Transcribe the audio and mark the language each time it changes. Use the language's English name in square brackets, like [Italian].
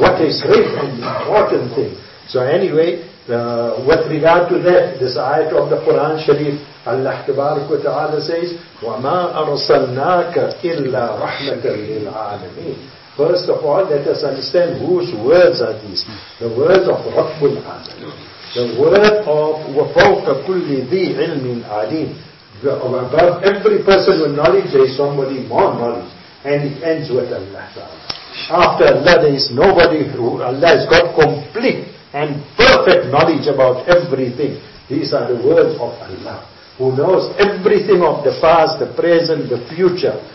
[English] What a great and important thing. So anyway, with regard to that, this ayat of the Quran Sharif, Allah Tabarak wa Ta'ala says, [Arabic] وَمَا أَرْسَلْنَاكَ إِلَّا رَحْمَةً لِلْعَالَمِينَ. [English] First of all, let us understand whose words are these. The words of رَبُّ الْعَالَمِينَ. The word of [Arabic] وَفَوْقَ كُلِّ ذِي عِلْمٍ عَلِيمٍ. [English] Above every person with knowledge, there is somebody more knowledge. And it ends with Allah Ta'ala. After Allah, there is nobody who, Allah has got complete and perfect knowledge about everything. These are the words of Allah, who knows everything of the past, the present, the future.